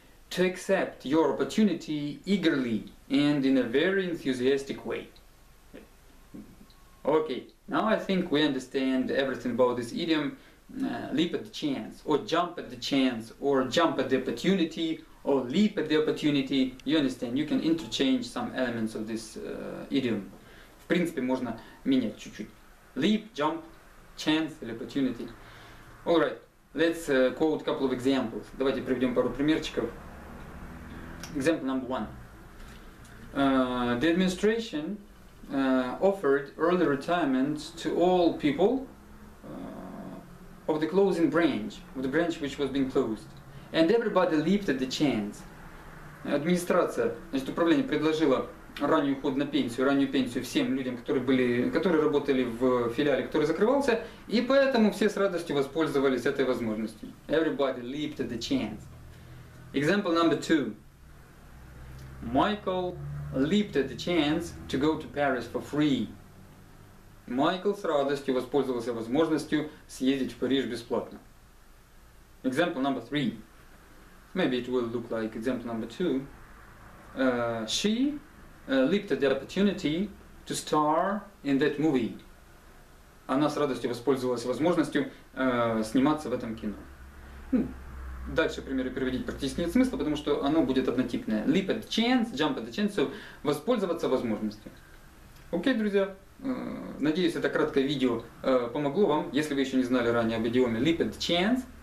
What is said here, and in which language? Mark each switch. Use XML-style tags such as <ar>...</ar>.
<en>To accept your opportunity eagerly and in a very enthusiastic way. Okay, now I think we understand everything about this idiom. Leap at the chance, or jump at the chance, or jump at the opportunity, or leap at the opportunity. You understand, you can interchange some elements of this idiom.</en> <ru>В принципе, можно менять чуть-чуть.</ru> <en>Leap, jump, chance,</en> <ru>или</ru> <en>opportunity. Alright, let's quote a couple of examples.</en> <ru>Давайте приведем пару примерчиков.</ru> <en>Example number one. The administration offered early retirement to all people of the closing branch, of the branch which was being closed. And everybody leaped at the chance.</en> <ru>Администрация, значит, управление предложило ранний уход на пенсию, раннюю пенсию всем людям, которые работали в филиале, который закрывался, и поэтому все с радостью воспользовались этой возможностью.</ru> <en>Everybody leaped at the chance. Example number two. Michael leaped at the chance to go to Paris for free.</en> <ru>Michael с радостью воспользовался возможностью съездить в Париж бесплатно.</ru> <en>Example number three. Maybe it will look like example number two. She leaped at the opportunity to star in that movie.</en> <ru>Она с радостью воспользовалась возможностью сниматься в этом кино. Дальше примеры приводить практически нет смысла, потому что оно будет однотипное.</ru> <en>Leap at the chance, jump at the chance, so</en> <ru>воспользоваться возможностью. Окей, друзья, надеюсь, это краткое видео помогло вам, если вы еще не знали ранее об идиоме</ru> <en>leap at the chance.</en>